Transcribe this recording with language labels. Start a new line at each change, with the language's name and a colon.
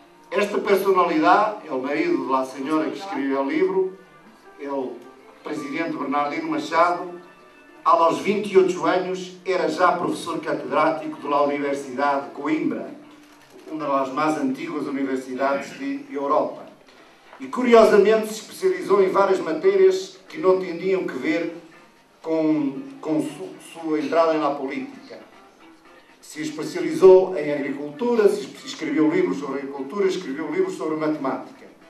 Portuguese: Esta personalidade, o marido da senhora que escreveu o livro, é o presidente Bernardino Machado. Aos 28 anos, era já professor catedrático da Universidade de Coimbra, uma das mais antigas universidades de Europa. E, curiosamente, se especializou em várias matérias que não tinham que ver
Spanish: con su entrada en la política.
Portuguese: Se especializou em agricultura, escreveu livros sobre agricultura, escreveu livros sobre matemática.